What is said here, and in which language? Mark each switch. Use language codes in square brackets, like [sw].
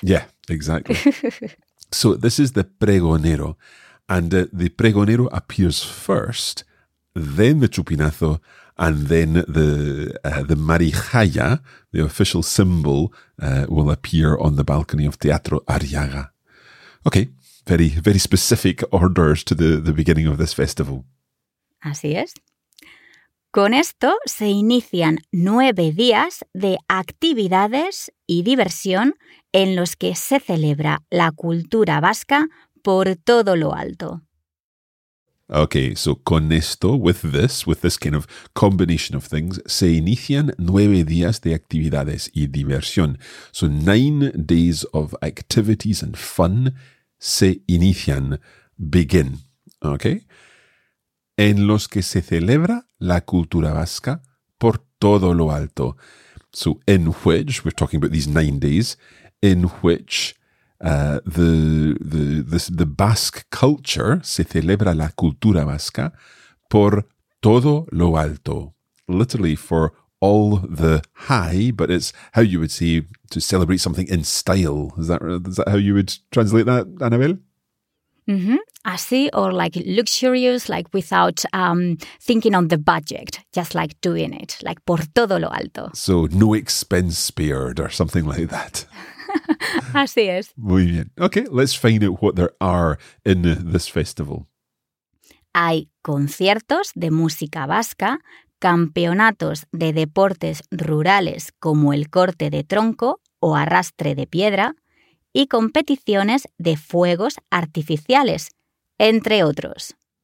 [en] Yeah, exactly. So this is the pregonero, and the pregonero appears first, then the chupinazo, and then the marijaya, the official symbol, will appear on the balcony of Teatro Arriaga. Okay, very, very specific orders to the beginning of this festival. [es] Así es. Con esto se inician 9 días de actividades y diversión en los que se celebra la cultura vasca por todo lo alto. [en] Okay, so [es] con esto, [en] with this kind of combination of things, [es] se inician 9 días de actividades y diversión. [en] So 9 days of activities and fun [es] se inician, [en] begin, okay? [es] En los que se celebra la cultura vasca por todo lo alto. [en] So in which, we're talking about these 9 days, in which the Basque culture, [es] se celebra la cultura vasca por todo lo alto. [en] Literally for all the high, but it's how you would say to celebrate something in style. Is that how you would translate that, Anabel? Mm-hmm. [es] Así, [en] or like luxurious, like without thinking on the budget, just like doing it, like [es] por todo lo alto. [en] So no expense spared or something like that. [es] Así es. Muy bien. [en] Okay, let's find out what there are in this festival. [es] Hay conciertos de música vasca, campeonatos de deportes rurales como el corte de tronco o arrastre de piedra y competiciones de fuegos artificiales, entre otros.